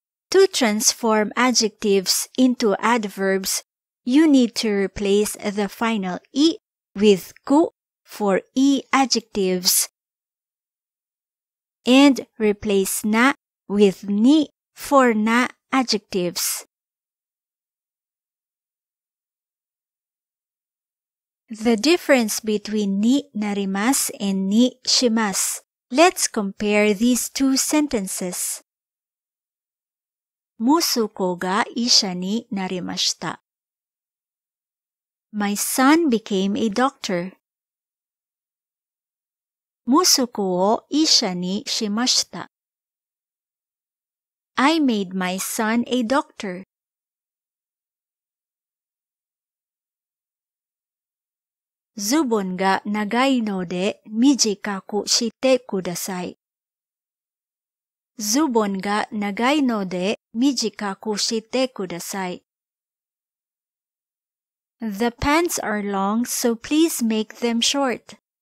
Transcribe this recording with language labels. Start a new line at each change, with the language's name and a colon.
English: To transform adjectives into adverbs, you need to replace the final iwith ku for e adjectives and replace na with ni for na adjectives. The difference between ni narimasu and ni shimasu. Let's compare these two sentences.
Japanese: 息子が医者になりました。
English: My son became a doctor.
Japanese: 息子を医者にしました。
English: I made my son a doctor.
Japanese: ズボンが長いので短くしてください。ズボンが長いので短くしてください。
English: The pants are long, so please make them short.